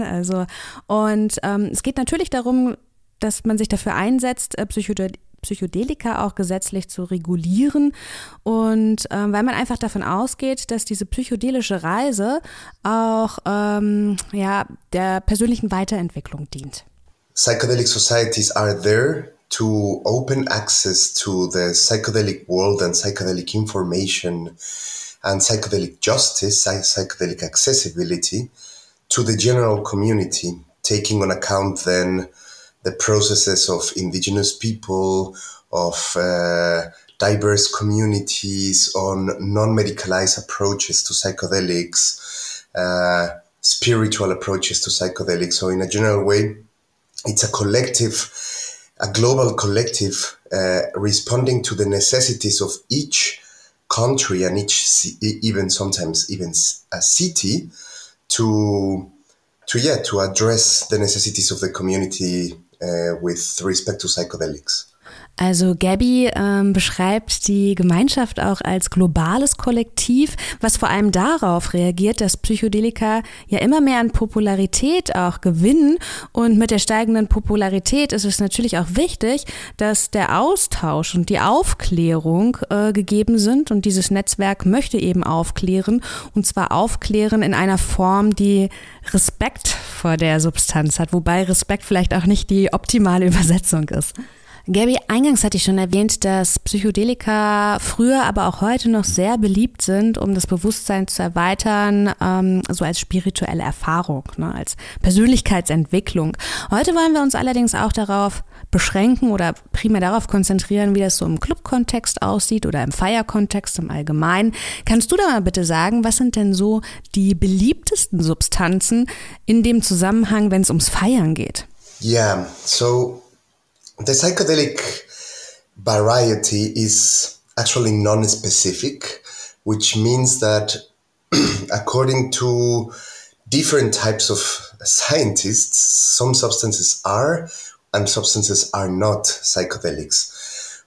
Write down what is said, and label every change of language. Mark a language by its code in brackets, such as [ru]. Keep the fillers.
[de] Also und ähm, es geht natürlich darum, dass man sich dafür einsetzt, Psychodel Psychedelika auch gesetzlich zu regulieren. Und äh, weil man einfach davon ausgeht, dass diese psychedelische Reise auch ähm, ja, der persönlichen Weiterentwicklung dient. [en] Psychedelic societies are there to open access to the psychedelic world and psychedelic information and psychedelic justice, psychedelic accessibility to the general community, taking on account then. the processes of indigenous people, of uh, diverse communities, on non medicalized approaches to psychedelics, uh, spiritual approaches to psychedelics. So, in a general way, it's a collective, a global collective, uh, responding to the necessities of each country and each, even sometimes even a city, to to yeah to address the necessities of the community uh, with respect to psychedelics. [de] Also Gabby ähm, beschreibt die Gemeinschaft auch als globales Kollektiv, was vor allem darauf reagiert, dass Psychedelika ja immer mehr an Popularität auch gewinnen. Und mit der steigenden Popularität ist es natürlich auch wichtig, dass der Austausch und die Aufklärung äh, gegeben sind. Und dieses Netzwerk möchte eben aufklären. Und zwar aufklären in einer Form, die Respekt vor der Substanz hat. Wobei Respekt vielleicht auch nicht die optimale Übersetzung ist. Gabby, eingangs hatte ich schon erwähnt, dass Psychedelika früher, aber auch heute noch sehr beliebt sind, um das Bewusstsein zu erweitern, ähm, so als spirituelle Erfahrung, ne, als Persönlichkeitsentwicklung. Heute wollen wir uns allerdings auch darauf beschränken oder primär darauf konzentrieren, wie das so im Clubkontext aussieht oder im Feierkontext im Allgemeinen. Kannst du da mal bitte sagen, was sind denn so die beliebtesten Substanzen in dem Zusammenhang, wenn es ums Feiern geht? [en] Ja, yeah, so the psychedelic variety is actually non-specific, which means that according to different types of scientists, some substances are and substances are not psychedelics.